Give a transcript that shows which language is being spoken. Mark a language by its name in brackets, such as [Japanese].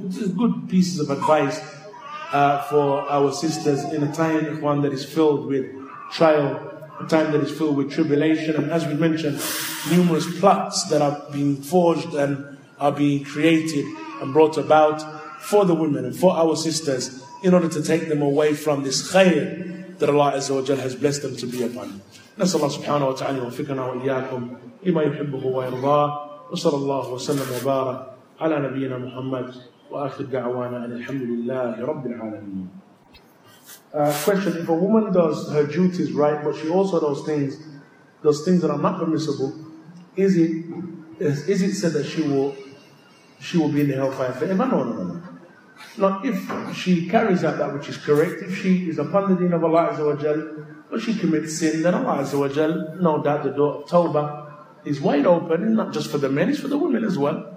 [English] It's good pieces of advice for our sisters in a time, one that is filled with trial, a time that is filled with tribulation, and as we mentioned, numerous plots that are being forged and are being created and brought about for the women and for our sisters in order to take them away from this khayr that Allah Azza wa Jal has blessed them to be upon. [Arabic] نسأل الله سبحانه وتعالى وفقنا وإياكم لما يحبه ويرضاه وصلى الله وسلم وبارك على نبينا محمد وآخر دعوانا أن الحمد لله رب العالمين. [English] Question, if a woman does her duties right, but she also does things that are not permissible, is it said that she will be in the hellfire forever? No. Now, if she carries out that which is correct, if she is upon the deen of Allah Azza wa Jal, but she commits sin, then Allah Azza wa Jal, no doubt the door of Tawbah is wide open, and not just for the men, it's for the women as well.